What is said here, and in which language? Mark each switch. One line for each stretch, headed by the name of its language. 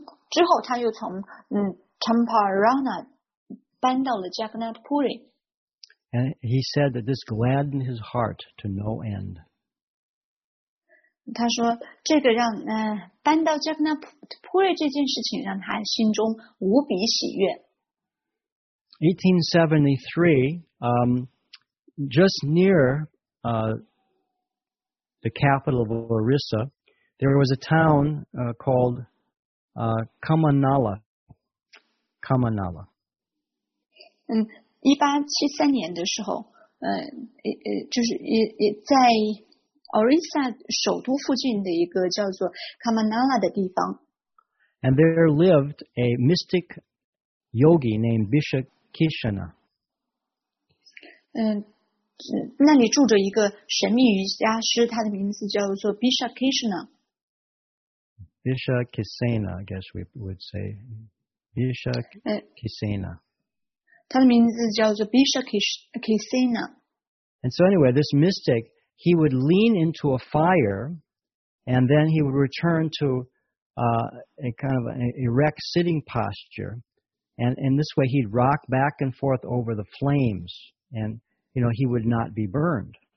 Chinese: 之后他又从Champarana 搬到了 Jagannath Puri.
English: And he said that this gladdened his heart to no end.
Chinese: 他说这个让搬到 Jagannath Puri 这件事情让他心中无比喜悦。
English: 1873, just near the capital of Orissa, there was a town called Kamanala. Kamanala.
Chinese: 1873年的时候, 就是在 Orissa 首都附近的一个叫做 Kamanala 的地方。
English: And there lived a mystic yogi named Bishop Kishana.
Chinese: 那里住着一个神秘瑜伽师, 他的名字叫做 Bishop Kishana.
English: Bishop Kisena, I guess we would say. Bishop Kisena.
Chinese: 他的名字叫做 Bishop Kisena.
English: And so anyway, this mystic, he would lean into a fire, and then he would return to a kind of an erect sitting posture. And in this way, he'd rock back and forth over the flames, and, you know, he would not be burned.